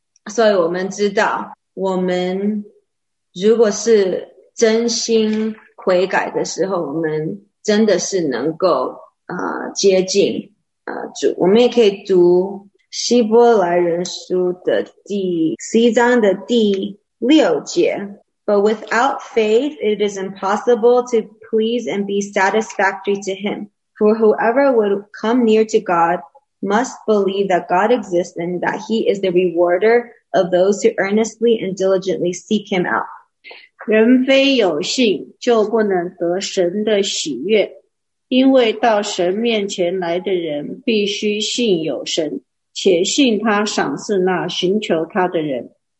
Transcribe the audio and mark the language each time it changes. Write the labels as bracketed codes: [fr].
[zh] 所以我们知道，我们如果是真心悔改的时候，我们真的是能够接近主。我们也可以读希伯来人书的第四章的第六节。 [en] But without faith, it is impossible to please and be satisfactory to him. For whoever would come near to God must believe that God exists and that he is the rewarder of those who earnestly and diligently seek him out. [zh] 人非有信就不能得神的喜悦，因为到神面前来的人必须信有神，且信他赏赐那寻求他的人。